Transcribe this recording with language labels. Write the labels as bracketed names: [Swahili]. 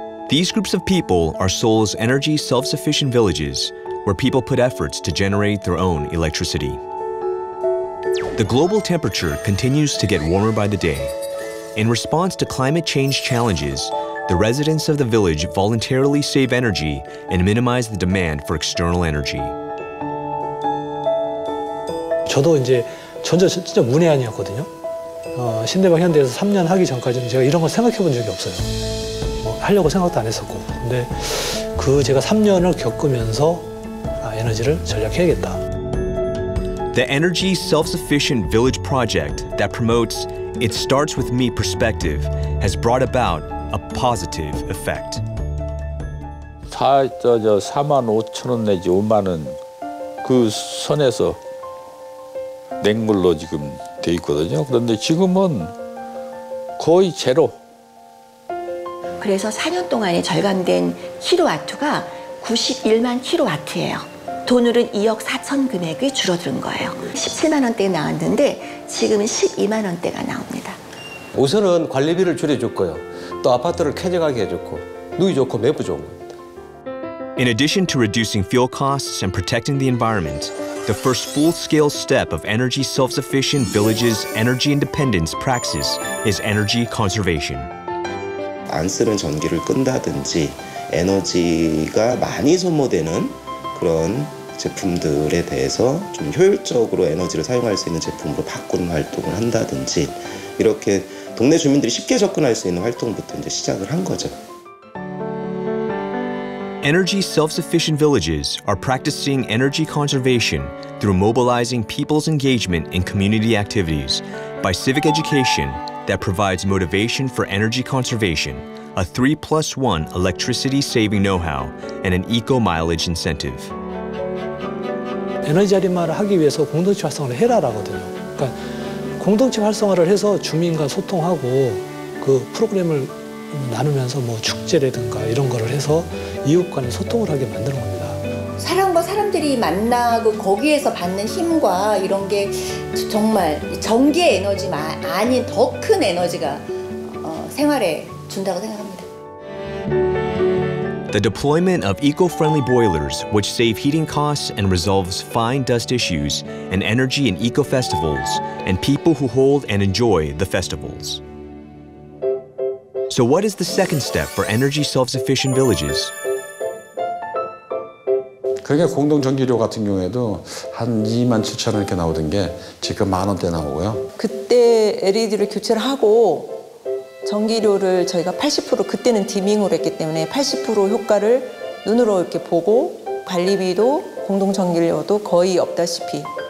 [English] These groups of people are Seoul's energy self-sufficient villages, where people put efforts to generate their own electricity. The global temperature continues to get warmer by the day. In response to climate change challenges, the residents of the village voluntarily save energy and minimize the demand for external energy. [Korean] 저도 이제 전자 진짜 문외한이었거든요. 신대방 현대에서 3년 하기 전까지는 제가 이런 걸 생각해 본 적이 없어요. 하려고 생각도 안 했었고. 근데 그 제가 3년을 겪으면서 에너지를 절약해야겠다. [English] The Energy Self-Sufficient Village Project that promotes It Starts With Me perspective has brought about a positive effect. [Korean] 4만 5천 원 내지 5만 원 그 선에서 낸 걸로 지금 돼 있거든요. 그런데 지금은 거의 제로. 그래서 4년 동안에 절감된 킬로와트가 91만 킬로와트예요. 돈으로는 2억 4천 금액이 줄어든 거예요. 17만 원대에 나왔는데 지금은 12만 원대가 나옵니다. 우선은 관리비를 줄여줬고요. 또 아파트를 쾌적하게 해줬고 누이 좋고 매부 좋은 겁니다. [English] In addition to reducing fuel costs and protecting the environment, the first full-scale step of Energy Self-Sufficient Villages Energy Independence Praxis is energy conservation. [Korean] 안 쓰는 전기를 끈다든지 에너지가 많이 소모되는 그런 제품들에 대해서 좀 효율적으로 에너지를 사용할 수 있는 제품으로 바꾸는 활동을 한다든지 이렇게 동네 주민들이 쉽게 접근할 수 있는 활동부터 이제 시작을 한 거죠. [English] Energy self-sufficient villages are practicing energy conservation through mobilizing people's engagement in community activities by civic education that provides motivation for energy conservation, a 3+1 electricity saving know-how, and an eco mileage incentive. [Korean] 에너지 자립만을 하기 위해서 공동체 활성화를 해라라거든요. 그러니까 공동체 활성화를 해서 주민과 소통하고 그 프로그램을 나누면서 뭐 축제라든가 이런 거를 해서 이웃 간의 소통을 하게 만드는 겁니다. 사람과 사람들이 만나고 거기에서 받는 힘과 이런 게 정말 전기 에너지만 아닌 더 큰 에너지가 생활에 준다고 생각합니다. [English] The deployment of eco-friendly boilers, which save heating costs and resolves fine dust issues, and energy and eco festivals, and people who hold and enjoy the festivals. So what is the second step for energy self-sufficient villages? [Korean] 그게 공동 전기료 같은 경우에도 한 2만 7천 원 이렇게 나오던 게 지금 만 원대 나오고요. 그때 LED를 교체를 하고 전기료를 저희가 80% 그때는 디밍을 했기 때문에 80% 효과를 눈으로 이렇게 보고 관리비도 공동 전기료도 거의 없다시피